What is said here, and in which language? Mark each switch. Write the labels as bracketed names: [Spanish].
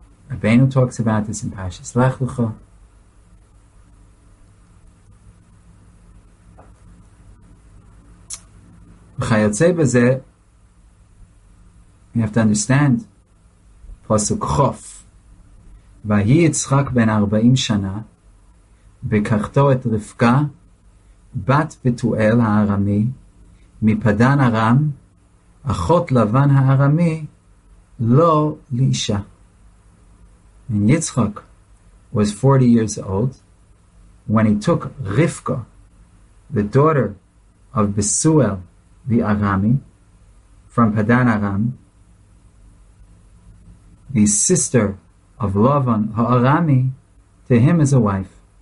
[English] Rabbeinu talks about this in Parshas Lech Lecha. [Hebrew] V'chayotzei b'ze, [English] you have to understand, Pasuk Chof. [Hebrew] ויהי יצחק בן 40 שנה, בקחתו את רבקה, בת פתואל הארמי, מפדן ארם, אחות לבן הארמי, לא לאישה. [English] And Yitzchak was 40 years old when he took Rivka, the daughter of Besuel the Arami, from Padan Aram, the sister of Lavan, Ha'arami, to him as a wife.